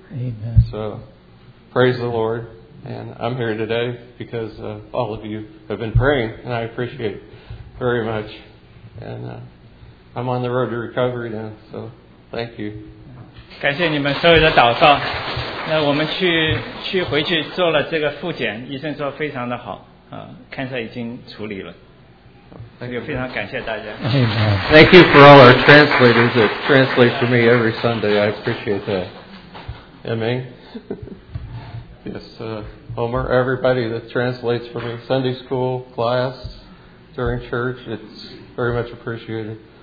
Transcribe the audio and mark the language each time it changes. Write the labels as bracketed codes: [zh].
[en] Amen. So, praise the Lord, and I'm here today because all of you have been praying, and I appreciate it very much. And I'm on the road to recovery now, so thank you. [zh] 感谢你们所有的祷告。那我们去回去做了这个复检，医生说非常的好，cancer 已经处理了。所以非常感谢大家。 [en] Thank you for all our translators that translate for me every Sunday. I appreciate that. Amen. Yes, Homer, everybody that translates for me, Sunday school, class, during church, it's very much appreciated.